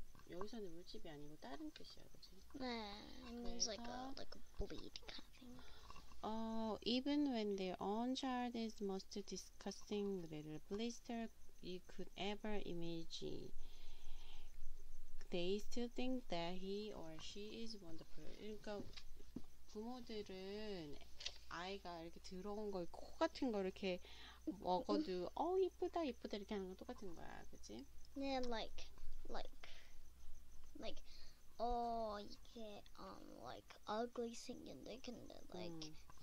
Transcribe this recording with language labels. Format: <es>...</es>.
<ko>여기서는 물집이 아니고 다른 뜻이야, 그렇지?</ko> <en>네, it means like a bleed kind of thing. Even when their own child is most disgusting little blister you could ever imagine, they still think that he or she is wonderful.</en> <ko>그러니까 부모들은 아이가 이렇게 들어온 걸 코 같은 걸 이렇게 먹어도 어 이쁘다 이쁘다 이렇게 하는 건 똑같은 거야, 그렇지?</ko> <en>Yeah, like,</en> <ko>어 이게</ko> <en>like ugly</en> <ko>생긴데 근데</ko> <en>like.</en>